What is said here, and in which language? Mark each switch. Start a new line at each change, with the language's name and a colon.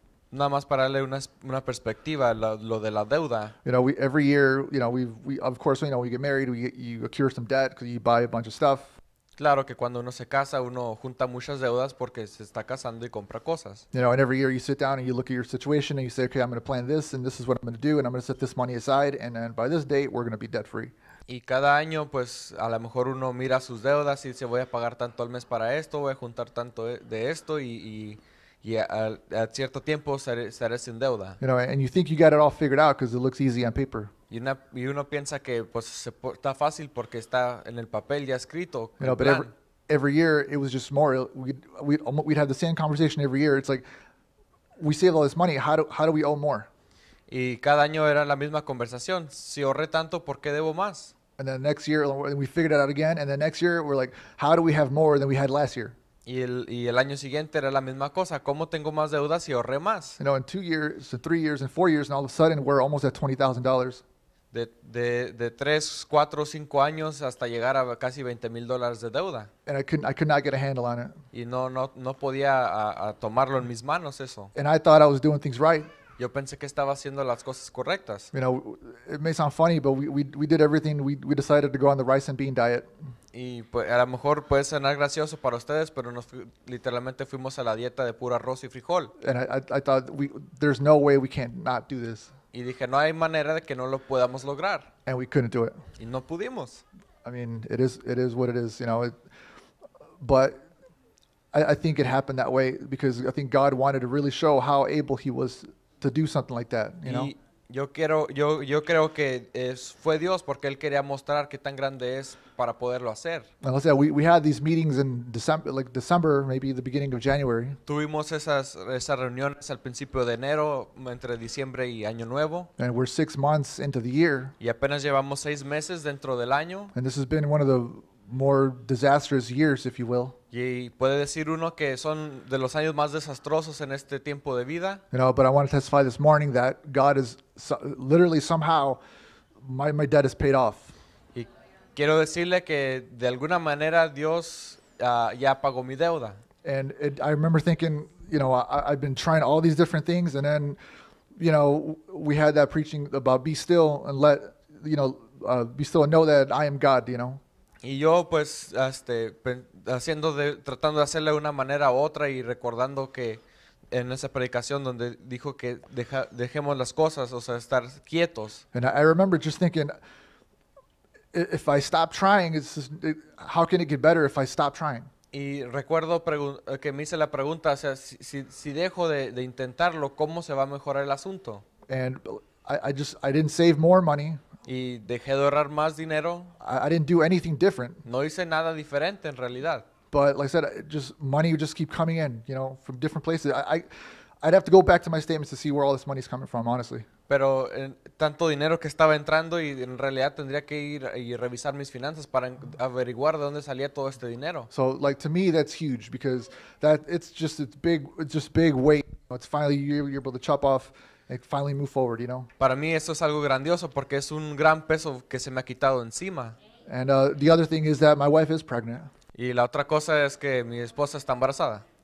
Spanish: Nada más para darle una perspectiva lo de la deuda.
English: You know, every year, you know, we of course, you know, we get married, you accrue some debt because you buy a bunch of stuff.
Spanish: Claro que cuando uno se casa, uno junta muchas deudas porque se está casando y compra cosas.
English: You know, and every year you sit down and you look at your situation and you say, okay, I'm going to plan this and this is what I'm going to do and I'm going to set this money aside and then by this date we're going to be debt free.
Spanish: Y cada año, pues, a lo mejor uno mira sus deudas y dice, voy a pagar tanto al mes para esto, voy a juntar tanto de esto y a cierto tiempo seré sin deuda.
English: You know, and you think you got it all figured out because it looks easy on paper.
Spanish: Y uno piensa que pues está fácil porque está en el papel ya escrito.
English: You know, but every year it was just more. We'd have the same conversation every year. It's like we saved all this money. How do we owe more?
Spanish: Y cada año era la misma conversación. Si ahorré tanto, ¿por qué debo más?
English: And then next year we figured it out again. And then next year we're like, how do we have more than we had last year?
Spanish: Y el año siguiente era la misma cosa. ¿Cómo tengo más deudas si ahorré más?
English: You know, in 2 years, in 3 years, in 4 years, and all of a sudden we're almost at $20,000.
Spanish: De 3, 4, 5 años hasta llegar a casi $20,000 de deuda.
English: And I could not get a handle on it.
Spanish: Y no podía a tomarlo en mis manos eso.
English: And I thought I was doing things right.
Spanish: Yo pensé que estaba haciendo las cosas correctas.
English: You know, it may sound funny, but we did everything. We decided to go on the rice and bean diet.
Spanish: Y a lo mejor puede sonar gracioso para ustedes, pero literalmente fuimos a la dieta de puro arroz y frijol.
English: And I thought, there's no way we can't not do this.
Spanish: Y dije, no hay manera de que no lo podamos lograr.
English: And we couldn't do it.
Spanish: Y no pudimos.
English: I mean, it is what it is, you know. But I think it happened that way because I think God wanted to really show how able he was to do something like that, you know.
Spanish: Yo creo que es fue Dios porque él quería mostrar qué tan grande es para poderlo hacer.
English: And let's say we had these meetings in December, like December, maybe the beginning of January.
Spanish: Tuvimos esas reuniones al principio de enero, entre diciembre y año nuevo.
English: And we're 6 months into the year.
Spanish: Y apenas llevamos 6 meses dentro del año.
English: And this has been one of the more disastrous years, if you will.
Spanish: Y puede decir uno que son de los años más desastrosos en este tiempo de vida.
English: You know, but I want to testify this morning that God is literally somehow my debt is paid off.
Spanish: Y quiero decirle que de alguna manera Dios ya pagó mi deuda.
English: And I remember thinking, you know, I've been trying all these different things, and then, you know, we had that preaching about be still and let, you know, be still and know that I am God, you know.
Spanish: Y yo pues tratando de hacerle una manera u otra y recordando que en esa predicación donde dijo que dejemos las cosas, o sea, estar quietos.
English: And I remember just thinking, if I stop trying, it's just, how can it get better if I stop trying?
Spanish: Y recuerdo que me hice la pregunta, o sea, si dejo de intentarlo, ¿cómo se va a mejorar el asunto?
English: And I didn't save more money.
Spanish: Y dejé de ahorrar más dinero.
English: I didn't do anything different.
Spanish: No hice nada diferente en realidad.
English: But like I said, just money would just keep coming in, you know, from different places. I'd have to go back to my statements to see where all this money's coming from, honestly.
Spanish: Pero tanto dinero que estaba entrando y en realidad tendría que ir y revisar mis finanzas para averiguar de dónde salía todo este dinero.
English: So like to me that's huge because that it's just big weight. It's finally you're able to chop off. It finally move forward, you know.
Spanish: Para mí eso es algo grandioso porque es un gran peso que se me ha quitado encima.
English: And the other thing is that my wife is pregnant.
Spanish: Y la otra cosa es que mi esposa está embarazada.